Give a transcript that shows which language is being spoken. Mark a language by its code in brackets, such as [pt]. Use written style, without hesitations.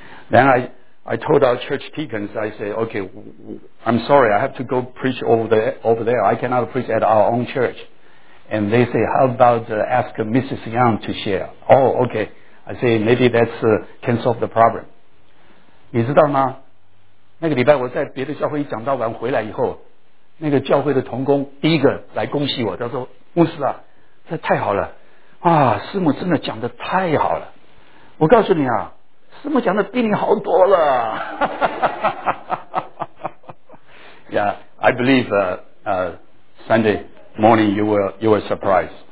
[en] Then I told our church deacons, I say, okay, I'm sorry, I have to go preach over there. I cannot preach at our own church. And they say, how about ask Mrs. Yang to share? Oh, okay. I say, maybe that's can solve the problem. [zh] 你知道吗？那个礼拜我在别的教会讲道完回来以后，那个教会的同工第一个来恭喜我，他说：“牧师啊，这太好了啊，师母真的讲得太好了。我告诉你啊，师母讲得比你好多了。” [en] Yeah, I believe Sunday morning you were surprised.